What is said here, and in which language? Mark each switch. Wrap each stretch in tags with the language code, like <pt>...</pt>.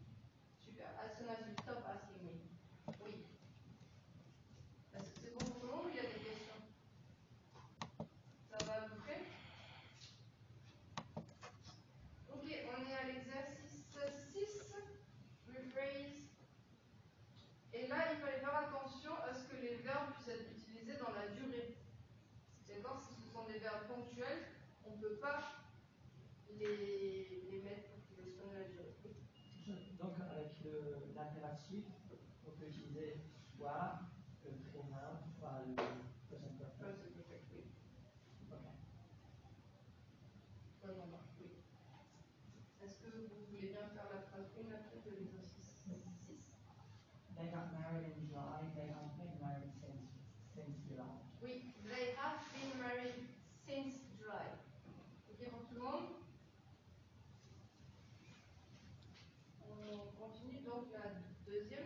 <en>Super, as soon as you stop asking me.</en> <fr>Oui. Est-ce que c'est bon pour tout le monde ou il y a des questions? Ça va à peu près? Ok, on est à l'exercice 6, rephrase. Et là, il fallait faire attention à ce que les verbes puissent être utilisés dans la durée. D'accord, si ce sont des verbes ponctuels, on ne peut pas les mettre pour qu'ils soient dans la durée. Donc, avec l'interactif, on peut utiliser soit le prénom, soit le present perfect. Oui, c'est perfect, oui. Ok. Non. Est-ce que vous voulez bien faire la phrase 1 après de l'exercice 6?</fr> <en>They got married in July, they have been married since July.</en> <fr>Oui,</fr> <en>they have been married since July.</en> <fr>Ok pour tout le monde? On continue donc la deuxième.</fr>